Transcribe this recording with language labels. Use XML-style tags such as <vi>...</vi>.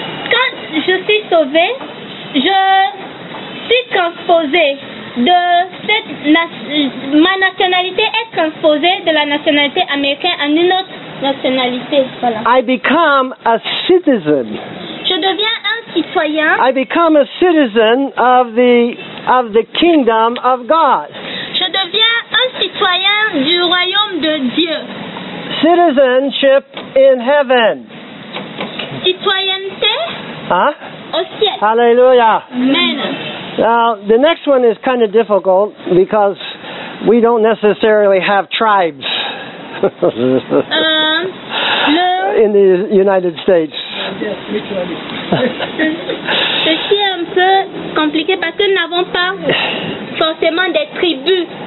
<fr>Quand je suis sauvé, je suis transposé de cette ma nationalité est transposée de la nationalité américaine en une autre nationalité. Voilà.</fr> <en>I become a citizen.</en> <fr>Je deviens un citoyen.</fr> <en>I become a citizen of the kingdom of God.</en> <fr>Je deviens un citoyen du royaume de Dieu.</fr> <en>Citizenship in heaven.</en> <fr>Citoyenneté? Huh? Au ciel. Hallelujah. Amen.</fr> <en>Now, the next one is kind of difficult because we don't necessarily have tribes in the United States.</en> <fr>Ceci est un peu compliqué parce que nous n'avons pas forcément des tribus.</fr>